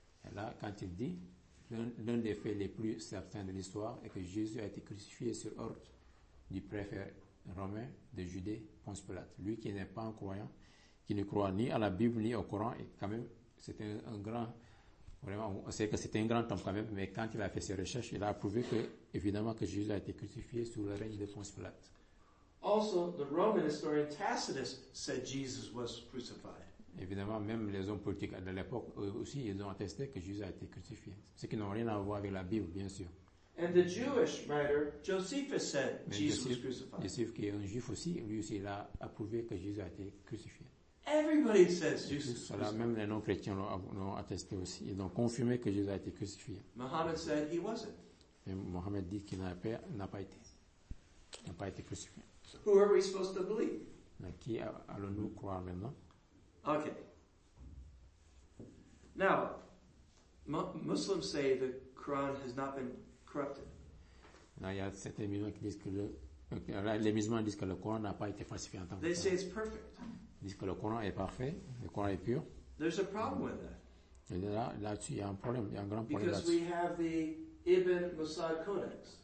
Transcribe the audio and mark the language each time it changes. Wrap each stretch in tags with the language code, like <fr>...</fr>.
<fr>Et là, quand il dit, l'un des faits les plus certains de l'histoire est que Jésus a été crucifié sur ordre du préfet romain de Judée, Ponce Pilate. Lui qui n'est pas un croyant, qui ne croit ni à la Bible ni au Coran, et quand même, c'est un grand... Vraiment, on sait que c'était un grand homme quand même, mais quand il a fait ses recherches, il a prouvé que, évidemment, que Jésus a été crucifié sous le règne de Ponce Pilate.</fr> <en>Also, the Roman historian Tacitus said Jesus was crucified.</en> <fr>Évidemment, même les hommes politiques de l'époque aussi, ils ont attesté que Jésus a été crucifié. Ce qui n'a rien à voir avec la Bible, bien sûr.</fr> <en>And the Jewish writer Josephus said Jesus was crucified.</en> <fr>Josephus, qui est un juif aussi, lui aussi, il a prouvé que Jésus a été crucifié.</fr> <en>Everybody says Jesus.</en> <fr>Cela, même les non-chrétiens l'ont attesté aussi. Ils ont confirmé que Jésus a été crucifié.</fr> <en>Muhammad said he wasn't.</en> <fr>Et Muhammad dit qu'il n'a pas été crucifié.</fr> <en>Who are we supposed to believe?</en> <fr>À qui allons-nous croire maintenant?</fr> <en>Okay. Now, Muslims say the Quran has not been corrupted.</en> <fr>Là, il y a certains musulmans qui disent que les musulmans disent que le Coran n'a pas été falsifié en tant que tel.</fr> <en>They say it's perfect.</en> <fr>Disent que le Coran est parfait, le Coran est pur.</fr> <en>There's a problem with that.</en> <fr>Et là-dessus, il y a un problème, il y a un grand problème.</fr> <en>Because</en> <fr>là-dessus.</fr> <en>We have the Ibn Musad Codex.</en>